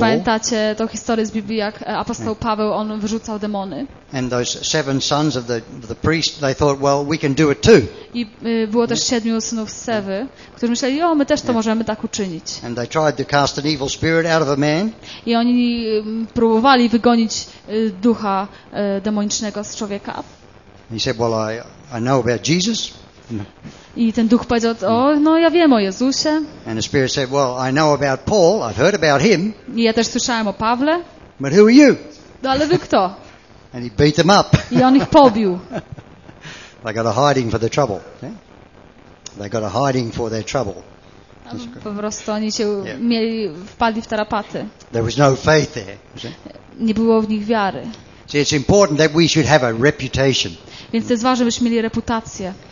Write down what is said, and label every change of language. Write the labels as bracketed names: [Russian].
[Polish] Pamiętacie tą historię z Biblii, jak apostoł Paweł, on wyrzucał demony. [English] And those seven sons of the priest, they thought, well, we can do it too. [Polish] I było też siedmiu synów Sewy, którzy myśleli, o, my też to możemy tak uczynić. [English] And they tried to cast an evil spirit out of a man. [Polish] I oni próbowali wygonić ducha demonicznego z człowieka. [English] He said, well, I know about Jesus. [Polish] I ten duch powiedział, o, no ja wiem o Jezusie. [English] And the spirit said, well, I know about Paul, I've heard about him. [Polish] I ja też słyszałem o Pawle. [English] But who are you? [Polish] No, ale wy kto? [English] And he beat them up. [Polish] I on ich pobił. [English] They got a hiding for their trouble. Yeah? They got a hiding for their trouble. [Polish] Po prostu oni się wpadli w tarapaty. [English] There was no faith there. [Polish] Nie było w nich wiary. [English] See, it's important that we should have a reputation. [Polish] Więc to jest ważne, byśmy mieli reputację.